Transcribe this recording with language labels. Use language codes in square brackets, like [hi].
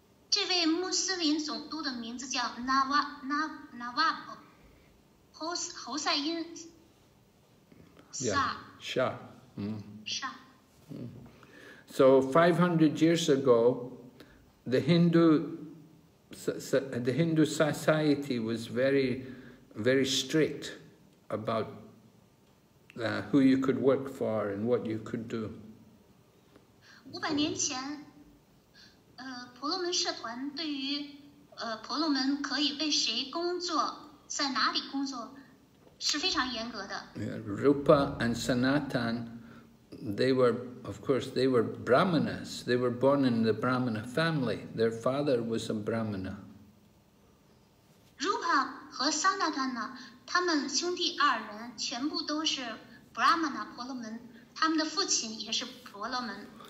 [zh] 这位穆斯林总督的名字叫Nawab侯赛因Shah。So [en] 500 years ago, the Hindu society was very, very strict about who you could work for and what you could do. [zh] 500年前, 婆罗门社团对于, 婆罗门可以为谁工作, 在哪里工作, 是非常严格的。 [en] Yeah, Rupa and Sanatan, they were, of course, they were Brahmanas. They were born in the Brahmana family. Their father was a Brahmana. [zh] Rupa and Sanatan, 他们兄弟二人全部都是 Brahmana, 婆罗门, 他们的父亲也是婆罗门。